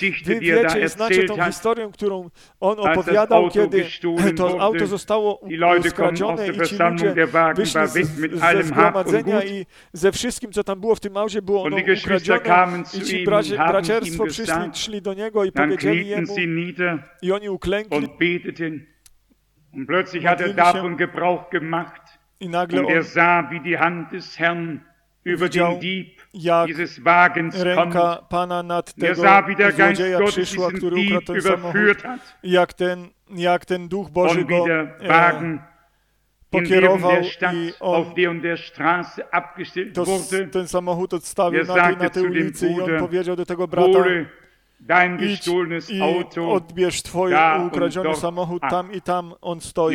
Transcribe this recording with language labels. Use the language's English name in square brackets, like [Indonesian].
[Polish] Wy wiecie i znacie tą historię, którą on opowiadał, kiedy to auto zostało skradzione i ci ludzie wyszli ze zgromadzenia i ze wszystkim, co tam było w tym auzie, było ono ukradzione. I ci braciarstwo przyszli do niego i powiedzieli jemu, i oni uklękli. [German] Und plötzlich hat er davon Gebrauch gemacht. [Polish] I nagle [German] und er sah, wie die Hand des Herrn über den Dieb dieses Wagens kommt. Er sah, wie der Geist Gottes diesen Dieb überführt hat. [Polish] Jak ten Duch Boży [German] und wie der Wagen in der Stadt, auf der und der Straße abgestellt wurde. [Polish] Ten samochód odstawił [German] er sagte [Polish] na tej [German] zu dem [Polish] ulicy, [German] Bruder, [Polish] i on powiedział do tego brata, Bole, [German] dein gestohlenes Auto, [Polish] odbierz twój ukradziony samochód, tam i tam on stoi.